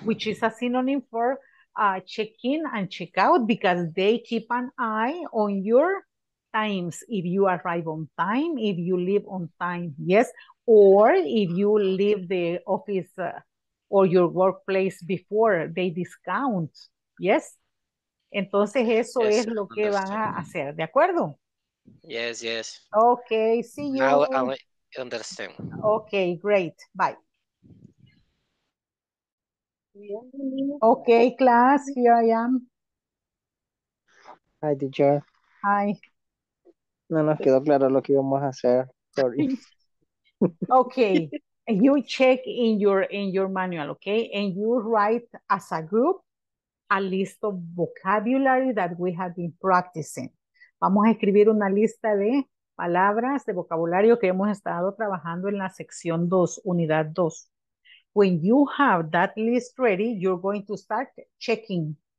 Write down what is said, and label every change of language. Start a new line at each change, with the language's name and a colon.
English: Which is a synonym for check in and check out because they keep an eye on your times. If you arrive on time, if you leave on time, yes? Or if you leave the office or your workplace before, they discount, yes?
Spanish: Entonces eso yes, es lo que van a hacer, ¿de acuerdo?
English: Yes, yes. Okay, see you. Now, understand. Okay, great. Bye. Okay, class, here I am. Hi, teacher. Hi.
Spanish: No nos quedó claro lo que íbamos a hacer.
English: Sorry. Okay. You check in your manual, okay? And you write as a group a list of vocabulary that we have been practicing.
Spanish: Vamos a escribir una lista de palabras de vocabulario que hemos estado trabajando en la sección 2, unidad 2.
English: When you have that list ready, you're going to start checking.